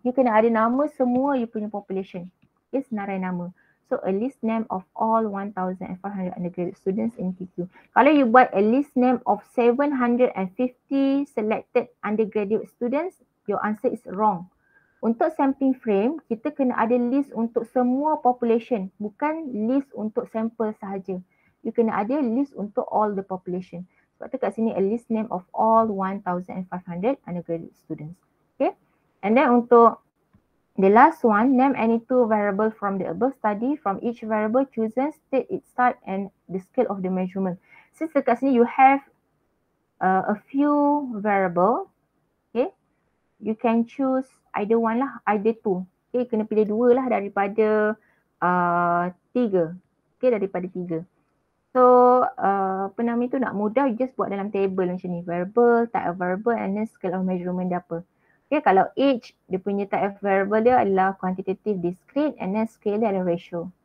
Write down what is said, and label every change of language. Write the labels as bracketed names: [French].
[Malay] You kena ada nama semua you punya population. It's senarai nama. [English] So a list name of all 1,500 undergraduate students in QQ. [Malay] Kalau [English] you buat a list name of 750 selected undergraduate students, your answer is wrong. [Malay] Untuk sampling frame, kita kena ada list untuk semua population. Bukan list untuk sampel sahaja. [English] You [Malay] kena ada [English] list untuk all the population. [Malay] Sebab tu kat sini [English] a list name of all 1,500 undergraduate students. Okay. And then untuk the last one, name any two variable from the above study. From each variable chosen, state its type and the scale of the measurement. Since [Malay] kat sini [English] you have a few variable, okay, you can choose either one lah, either two. [Malay] Okay, kena pilih dua lah daripada tiga. Okay, daripada tiga. So, apa nama tu nak mudah, you just buat dalam table macam ni. [English] Variable, type of variable and then scale of measurement dia apa. Okay, [Malay] kalau [English] age, dia punya type of variable dia adalah quantitative discrete and then scale dia adalah ratio.